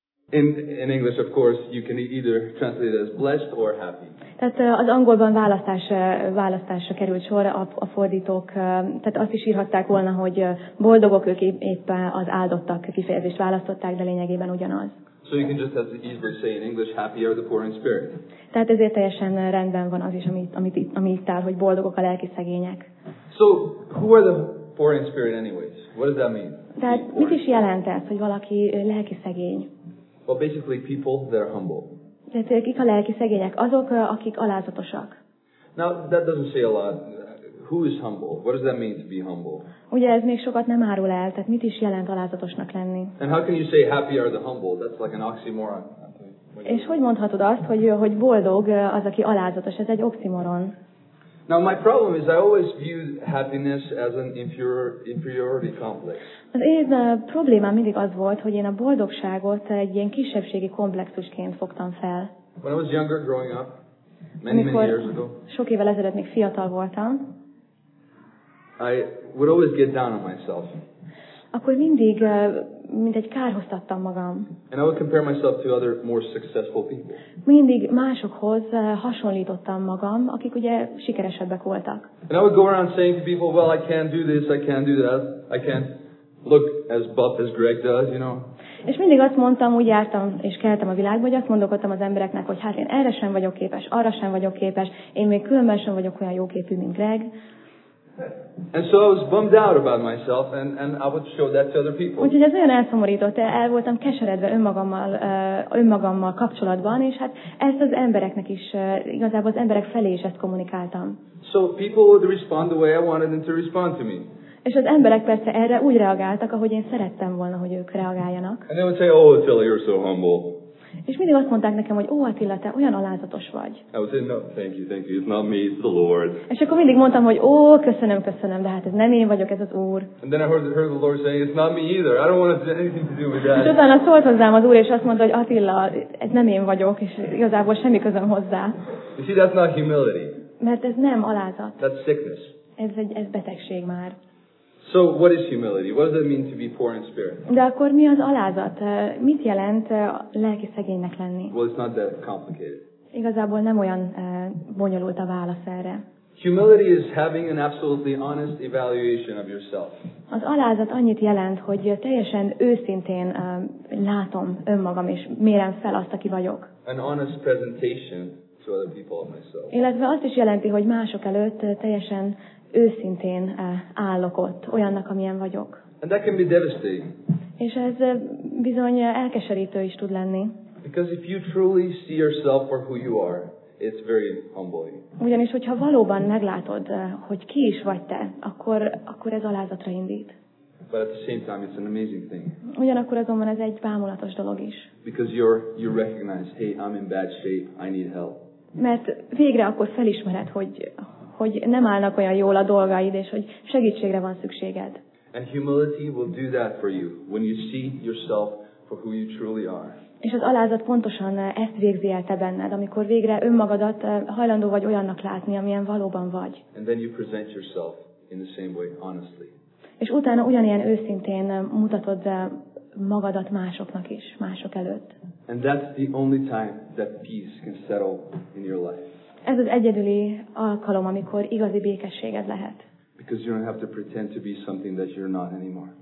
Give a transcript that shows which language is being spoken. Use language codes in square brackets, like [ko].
[en] In English, of course, you can either translate it as blessed or happy. [hu] Tehát az angolban választásra került sor a fordítók, tehát azt is írhatták volna, hogy boldogok, ők éppen az áldottak kifejezést választották, de lényegében ugyanaz. [en] So you can just as easily say in English, happy are the poor in spirit. [hu] Tehát ezért teljesen rendben van az is, ami itt áll, hogy boldogok a lelki szegények. [en] So who are the poor in spirit anyways? What does that mean? [hu] Tehát mit is jelent ez, hogy valaki lelki szegény? [en] Well, basically people that are humble. [hu] Tehát kik a lelki szegények? Azok, akik alázatosak. [en] Now, that doesn't say a lot. Who is humble? What does that mean to be humble? [hu] Ugye ez még sokat nem árul el, tehát mit is jelent alázatosnak lenni? [en] And how can you say happy are the humble? That's like an oxymoron. [hu] És hogy mondhatod azt, hogy boldog az, aki alázatos? Ez egy oxymoron. [en] Now my problem is I always view happiness as an inferiority complex. [hu] Az én problémám mindig az volt, hogy én a boldogságot egy ilyen kisebbségi komplexusként fogtam fel. [en] When I was younger growing up, many years ago. [hu] Sok évvel ezelőtt még fiatal voltam. [en] I would always get down on myself. [hu] Akkor mindig mintegy kárhoztattam magam. [en] And I would compare myself to other more successful people. [hu] Mindig másokhoz hasonlítottam magam, akik ugye sikeresebbek voltak. [en] And I would go around saying to people, well, I can't do this, I can't do that, I can't look as buff as Greg does, you know. [hu] És mindig azt mondtam, úgy jártam és keltem a világba, hogy azt mondogattam az embereknek, hogy hát én erre sem vagyok képes, arra sem vagyok képes, én még különben sem vagyok olyan jóképű, mint Greg. [en] And so I was bummed out about myself, and I would show that to other people. [hu] Úgyhogy ez nagyon elszomorított, el voltam keseredve önmagammal kapcsolatban, és hát ezt az embereknek is, igazából az emberek felé is ezt kommunikáltam. [en] So people would respond the way I wanted them to respond to me. [hu] És az emberek persze erre úgy reagáltak, ahogy én szerettem volna, hogy ők reagáljanak. [en] And they would say, oh Attila, you're so humble. [hu] És mindig azt mondták nekem, hogy ó, Attila, te olyan alázatos vagy. [en] I would say, no, thank you, it's not me, it's the Lord. [hu] És akkor mindig mondtam, hogy ó, köszönöm, de hát ez nem én vagyok, ez az Úr. [en] And then I heard the Lord saying, it's not me either, I don't want anything to do with that. [hu] És utána szólt hozzám az Úr, és azt mondta, hogy Attila, ez nem én vagyok, és igazából semmi közöm hozzá. [en] You see, that's not humility. [hu] Mert ez nem alázat. [en] That's sickness. [hu] Ez betegség már. [en] So what is humility? What does it mean to be poor in spirit? [hu] De akkor mi az alázat? Mit jelent lelki szegénynek lenni? [en] Well, it's not that complicated. [hu] Igazából nem olyan bonyolult a válasz erre. [en] Humility is having an absolutely honest evaluation of yourself. [hu] Az alázat annyit jelent, hogy teljesen őszintén látom önmagam és mérem fel azt, aki vagyok. [en] An honest presentation to other people of myself. [hu] Illetve azt is jelenti, hogy mások előtt teljesen őszintén állok ott, olyannak, amilyen vagyok. [en] And that can be devastating. [hu] És ez bizony elkeserítő is tud lenni. [en] Because if you truly see yourself for who you are, it's very humbling. [hu] Ugyanis, hogyha valóban meglátod, hogy ki is vagy te, akkor ez alázatra indít. [en] But at the same time, it's an amazing thing. [hu] Ugyanakkor azonban ez egy bámulatos dolog is. [en] Because you recognize, hey, I'm in bad shape, I need help. [hu] Mert végre akkor felismered, hogy nem állnak olyan jól a dolgaid, és hogy segítségre van szükséged. [en] And humility will do that for you when you see yourself for who you truly are. [hu] És az alázat pontosan ezt végzi el te benned, amikor végre önmagadat hajlandó vagy olyannak látni, amilyen valóban vagy. [en] And then you present yourself in the same way, honestly. [hu] És utána ugyanilyen őszintén mutatod magadat másoknak is, mások előtt. [en] And that's the only time that peace can settle in your life. [hu] Ez az egyedüli alkalom, amikor igazi békességed lehet. [en] Because you don't have to pretend to be something that you're not anymore.